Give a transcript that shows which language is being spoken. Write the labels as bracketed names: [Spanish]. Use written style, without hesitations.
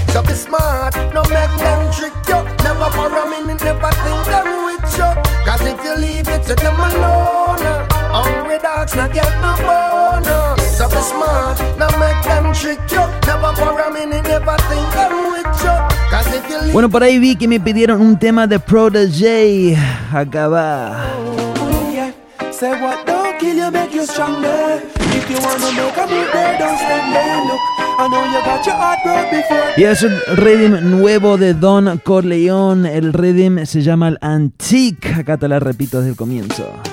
[English] So be smart, no make them trick you. Never for a minute, never think them with you. Cause if you leave it to them alone. Hungry dogs not get no bone. So be smart, now make them trick you. Never for a minute, never think I'm with you. Cause if you leave. [Spanish] Bueno, por ahí vi que me pidieron un tema de Protégé. Acaba. [English] Say what don't kill you, make you stronger. If you wanna make a move there, don't stand there. Look, I know you got your heart broke before. [Spanish] Y es un rhythm nuevo de Don Corleone. El rhythm se llama el Antique. Acá te la repito desde el comienzo.